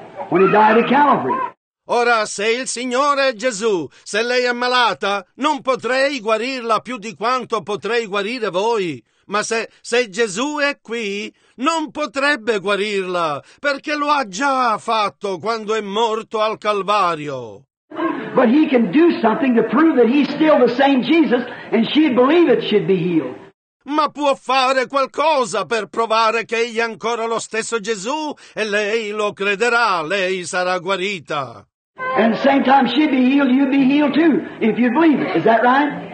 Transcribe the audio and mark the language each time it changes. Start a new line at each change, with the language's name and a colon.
English: When he died at Calvary.
Italian: Ora, se il Signore è Gesù, se lei è malata, non potrei guarirla più di quanto potrei guarire voi. Ma se Gesù è qui, non potrebbe guarirla, perché lo ha già fatto quando è morto al Calvario.
English: But he can do something to prove that he's still the same Jesus, and she'd believe it, she'd be healed.
Italian: Ma può fare qualcosa per provare che egli è ancora lo stesso Gesù e lei lo crederà, lei sarà guarita.
English: And same time she'd be healed, you'd be healed too, if you believe it. Is that right?